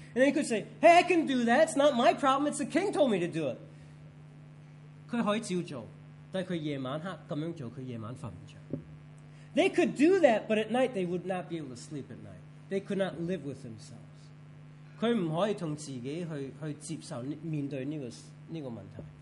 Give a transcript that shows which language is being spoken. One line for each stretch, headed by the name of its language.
English: And then he could say, hey, I can do that. It's not my problem. It's the king told me to do it.
Chinese: 他可以照做,但他晚上这样做,他晚上睡不着。
English: They could do that, but at night they would not be able to sleep at night. They could not live with themselves.
Chinese: 他不可以跟自己去接受面对这个问题。